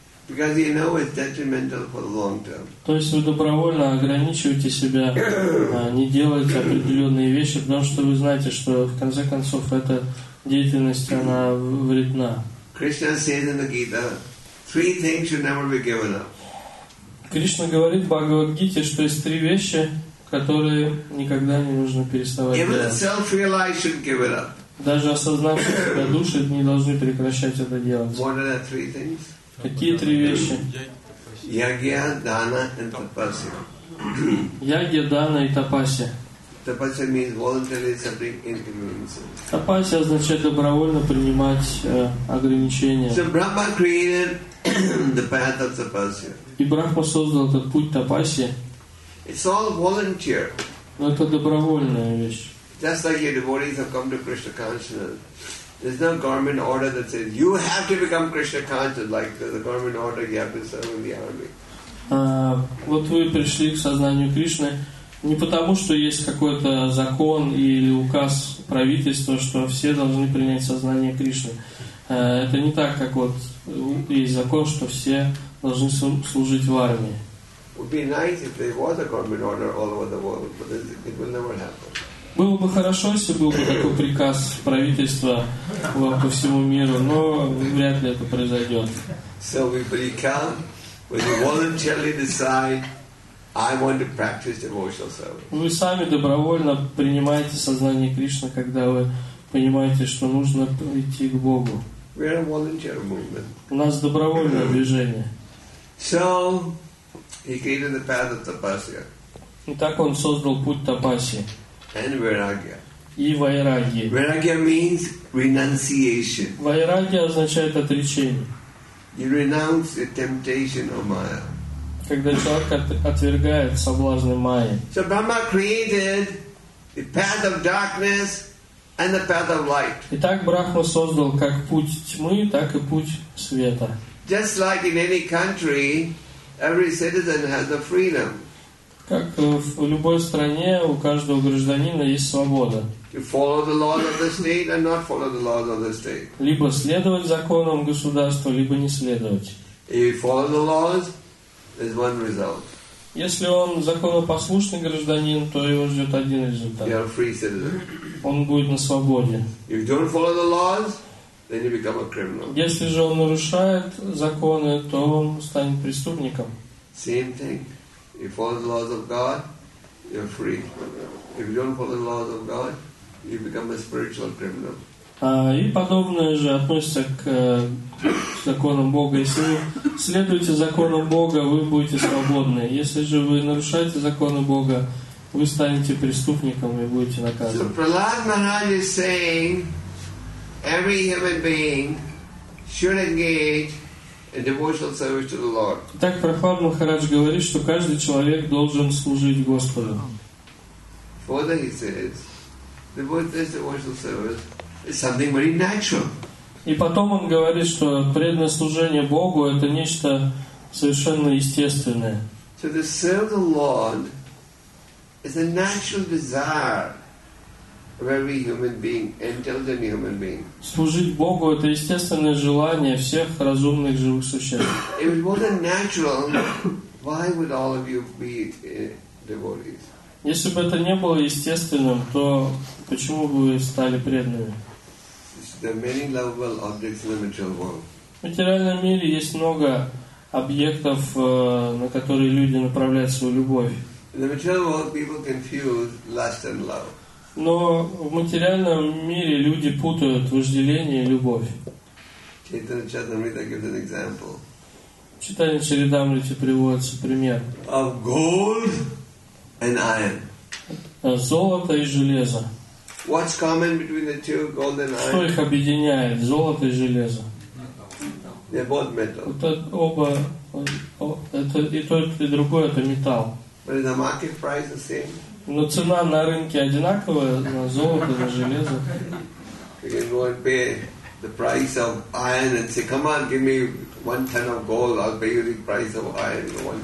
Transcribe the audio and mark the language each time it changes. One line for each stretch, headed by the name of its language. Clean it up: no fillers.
English: Because you know it's detrimental for the long term.
Russian: То есть вы добровольно ограничиваете себя, не делаете определенные вещи, потому что вы знаете, что в конце концов эта деятельность она вредна.
English: Krishna says in the Gita, three things should never be given up.
Russian: Кришна говорит в Бхагавад-гите, что есть три вещи, которые никогда не нужно переставать делать.
English: Even self-realized should give it up.
Russian: Даже осознавшие себя души не должны прекращать это делать.
English: What are the three things?
Russian: Какие три вещи? Ягья, дана и тапасия. Ягья, дана и тапасия.
English: Тапасия means voluntarily accepting inconveniences.
Russian: Тапасия означает добровольно принимать ограничения.
English: So Brahma created the path of tapasya.
Russian: И Брахма создал этот путь тапасии.
English: It's all volunteer.
Russian: Но это добровольная вещь.
English: Just like your devotees have come to Krishna consciousness. There's no government order that says you have to become Krishna conscious like the government order you have to serve in the army.
Russian: Вот вы пришли к сознанию Кришны не потому, что есть какой-то закон или указ правительства, что все должны принять сознание Кришны. Это не так, как вот есть закон, что все должны служить в армии.
English: Would be nice if there was a government order all over the world, but it will never happen.
Russian: Было бы хорошо, если был бы такой приказ правительства по всему миру, но вряд ли это произойдет.
English: So we become, when you voluntarily decide I want to practice devotional service.
Russian: Вы сами добровольно принимаете сознание Кришны, когда вы понимаете, что нужно идти к Богу.
English: We are a volunteer movement.
Russian: У нас добровольное движение.
English: So he created the path of tapasya.
Russian: И так он создал путь тапаси.
English: And vairagya.
Russian: И вайрагья.
English: Vairagya means renunciation.
Russian: Вайрагья означает отречение.
English: You renounce the temptation of Maya.
Russian: Когда человек отвергает соблазны Майи.
English: So Brahma created the path of darkness and the path of light.
Russian: Итак, Брахма создал как путь тьмы, так и путь света.
English: Just like in any country, every citizen has the freedom.
Russian: Как в любой стране у каждого гражданина есть свобода.
English: To follow the laws of the state and not follow the laws of the state.
Russian: Либо следовать законам государства, либо не следовать.
English: If you follow the laws, there's one result.
Russian: Если он законопослушный гражданин, то его ждет один результат.
English: You're a free citizen.
Russian: Он будет на свободе.
English: If you don't follow the laws, then you become a criminal.
Russian: Если же он нарушает законы, то он станет преступником.
English: Same thing. If you follow the laws of God, you're free. If you don't follow the laws of God, you become a spiritual criminal.
Russian: И подобное же относится к законам Бога. Если вы следуете законам Бога, вы будете свободны. Если же вы нарушаете законы Бога, вы станете преступником и будете наказаны.
English: So Prahlad Maharaj is saying every human being should engage in devotional service to the Lord.
Russian: Так Прахлад Махарадж говорит, что каждый человек должен служить Господу.
English: Further he says, devotional service is something very natural.
Russian: И потом он говорит, что преданное служение Богу это нечто совершенно естественное.
English: So to serve the Lord is a natural desire of every human being, intelligent human being.
Russian: Служить Богу это естественное желание всех разумных живых существ.
English: If it wasn't natural, why would all of you be devotees?
Russian: Если бы это не было естественным, то почему бы вы стали преданными?
English: There are many lovable objects in the material world.
Russian: В материальном мире есть много объектов, на которые люди направляют свою любовь.
English: In the material world, people confuse lust and love.
Russian: Но в материальном мире люди путают вожделение и любовь.
English: Chaitanya Charitamrita gives an example.
Russian: В Чайтанья Чаритамрите приводится пример.
English: Of gold and iron.
Russian: Золото и железо.
English: What's common between the two, gold and iron?
Russian: Что их объединяет, золото и железо?
English: They're both metal.
Russian: Вот это оба, это и то, и другое, это металл.
English: But is the market price the same?
Russian: Но цена на рынке одинаковая, на золото и на железо.
English: You can go and pay the price of iron and say, come on, give me one ton of gold, I'll pay you the price of iron.